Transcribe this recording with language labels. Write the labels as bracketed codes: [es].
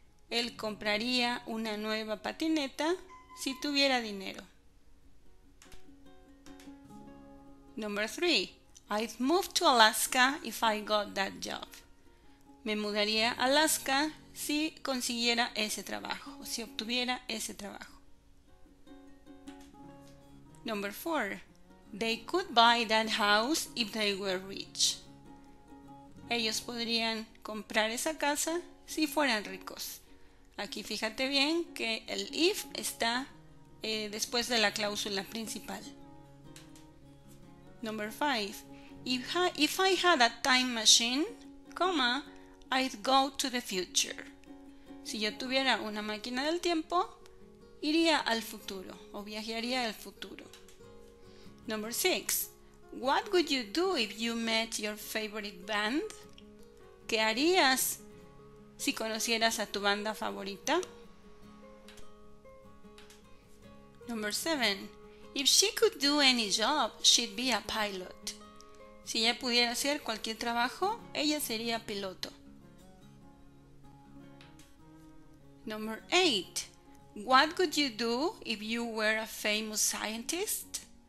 [es] Él compraría una nueva patineta si tuviera dinero. [en] Number 3. I'd move to Alaska if I got that job. [es] Me mudaría a Alaska si consiguiera ese trabajo, si obtuviera ese trabajo. [en] Number 4. They could buy that house if they were rich. [es] Ellos podrían comprar esa casa si fueran ricos. Aquí fíjate bien que el if está después de la cláusula principal. [en] Number 5. If I had a time machine, comma, I'd go to the future. [es] Si yo tuviera una máquina del tiempo, iría al futuro o viajaría al futuro. [en] Number 6. What would you do if you met your favorite band? [es] ¿Qué harías si conocieras a tu banda favorita? [en] Number 7. If she could do any job, she'd be a pilot. [es] Si ella pudiera hacer cualquier trabajo, ella sería piloto. [en] Number 8. What would you do if you were a famous scientist?